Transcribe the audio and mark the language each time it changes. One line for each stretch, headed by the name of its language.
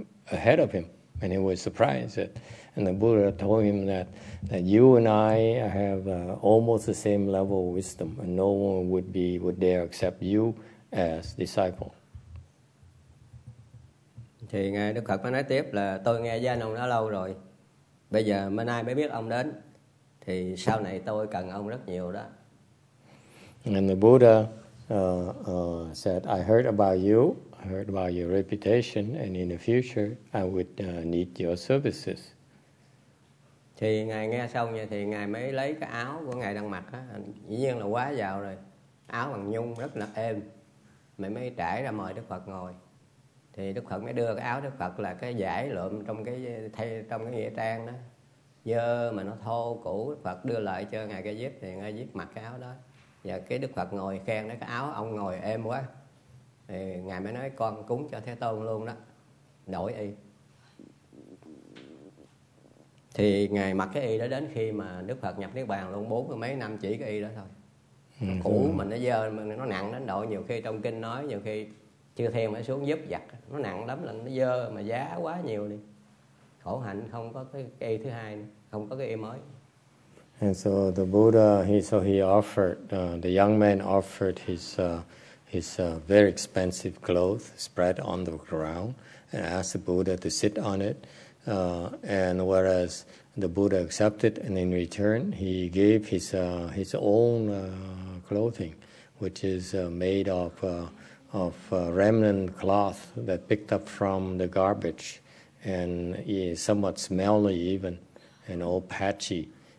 English: Ahead of him, and he was surprised. And the Buddha told him that you and I have almost the same level of wisdom, and no one would dare accept you as disciple.
Vietnamese: Thì ngài Đức Phật mới nói tiếp là tôi nghe danh ông đã lâu rồi, bây giờ mới nay mới biết ông đến, thì sau này tôi cần ông rất nhiều đó.
English: And the Buddha said, I heard about you. I heard about your reputation, and in the future, I would need your services.
Vietnamese: Thì ngài nghe xong vậy thì ngài mới lấy cái áo của ngài đang mặc á, dĩ nhiên là quá giàu rồi, áo bằng nhung rất là êm, mới trải ra mời Đức Phật ngồi. Thì Đức Phật mới đưa cái áo Đức Phật là cái vải lượm trong cái nghĩa trang đó, dơ mà nó thô cũ. Đức Phật đưa lại cho ngài cái giếp, thì ngài giếp mặc cái áo đó. Và cái Đức Phật ngồi khen đó, cái áo ông ngồi êm quá. Thì ngài mới nói con cúng cho Thế Tôn luôn đó, đổi y. Thì ngài mặc cái y đó đến khi mà Đức Phật nhập Niết Bàn luôn, 40 mấy năm chỉ cái y đó thôi. Cũ mà nó dơ, nó nặng đến độ nhiều khi trong kinh nói, nhiều khi chư thiên phải xuống giúp giặt, nó nặng lắm, là nó dơ mà giá quá nhiều đi. Khổ hạnh không có cái y thứ hai nữa, không có cái y mới.
English: And so the Buddha, the young man offered his very expensive clothes spread on the ground and asked the Buddha to sit on it. And whereas the Buddha accepted, and in return, he gave his own clothing, which is made of remnant cloth that picked up from the garbage, and is somewhat smelly even, and all patchy.